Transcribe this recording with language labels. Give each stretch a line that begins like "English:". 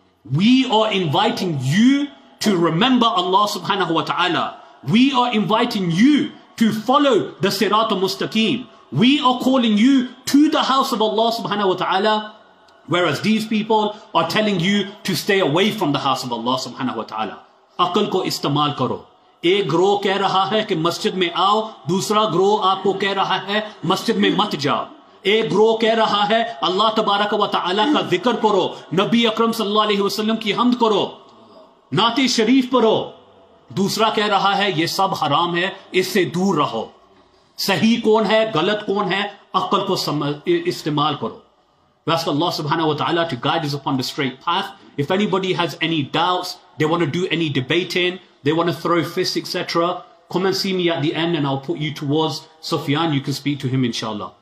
English: We are inviting you to remember Allah subhanahu wa ta'ala. We are inviting you to follow the Sirat al-Mustaqim. We are calling you to the house of Allah subhanahu wa ta'ala, whereas these people are telling you to stay away from the house of Allah subhanahu wa ta'ala.
Urdu: عقل کو استعمال کرو۔ ایک گروہ کہہ رہا ہے کی مسجد میں آؤ، دوسرا گروہ آپکو کہہ رہا ہے مسجد میں مت جاؤ۔ ایک گروہ کہہ رہا ہے اللہ تبارک و تعالیٰ کا ذکر کرو، نبی اکرم صلی اللہ علیہ وسلم کی حمد کرو، نعت شریف پڑو۔ دوسرا کہہ رہا ہے یہ سب حرام ہے، اس سے دور رہو۔ صحیح کون ہے، غلط کون ہے، عقل کو استعمال کرو۔
English: We ask Allah subhanahu wa ta'ala to guide us upon the straight path. If anybody has any doubts, they want to do any debating, they want to throw fists, etc., come and see me at the end and I'll put you towards Sufyan. You can speak to him, inshallah.